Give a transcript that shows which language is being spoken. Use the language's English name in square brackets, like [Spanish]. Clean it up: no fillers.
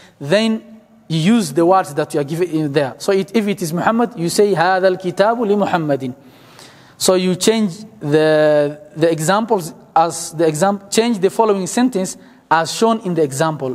[English] Then you use the words that you are given there. So if it is Muhammad, you say [Arabic] هذا الكتاب لمحمدين. [English] So you change the examples as the example. Change the following sentence as shown in the example.